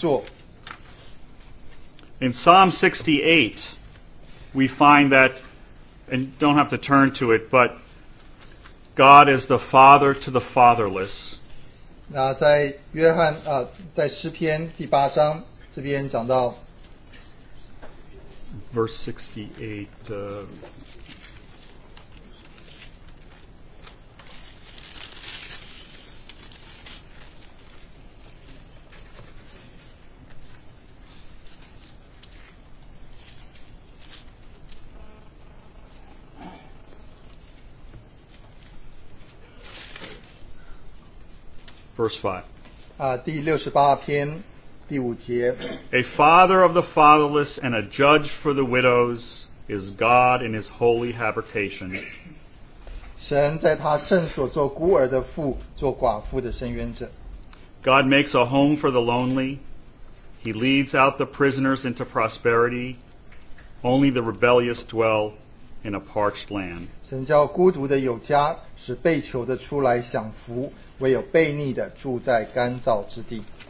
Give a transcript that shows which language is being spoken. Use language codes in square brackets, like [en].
[zh] 耶和华，现在你仍是我们的父，我们是你，你是窑匠，我们都是你手的工作。 [en] In Psalm 68, we find that, and don't have to turn to it, but God is the father to the fatherless. [zh] 那在诗篇第八章这边讲到 [en] verse 68. Verse 5. [zh] 第68篇第5节. [en] A father of the fatherless and a judge for the widows is God in his holy habitation. [zh] 神在他圣所做孤儿的父，做寡妇的伸冤者. [en] God makes a home for the lonely. He leads out the prisoners into prosperity. Only the rebellious dwell in a parched land. [zh] 神叫孤独的有家，使被囚的出来享福。唯有悖逆的住在干燥之地。